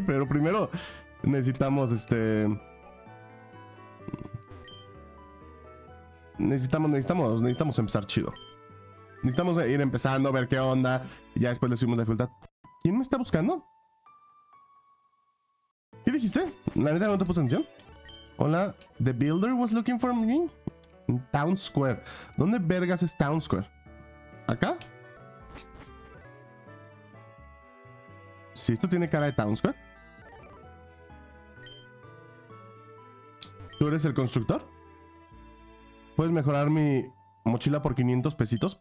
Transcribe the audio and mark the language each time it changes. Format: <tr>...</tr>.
<es>Pero primero necesitamos Necesitamos empezar chido. Necesitamos ir empezando, ver qué onda. Y ya después le subimos la dificultad. ¿Quién me está buscando? ¿Qué dijiste? La neta no te puse atención.</es> <en>Hola, the builder was looking for me. Town Square.</en> <es>¿Dónde vergas es Town Square? ¿Acá? Si esto tiene cara de Town Square. ¿Tú eres el constructor? ¿Puedes mejorar mi mochila por 500 pesitos?</es>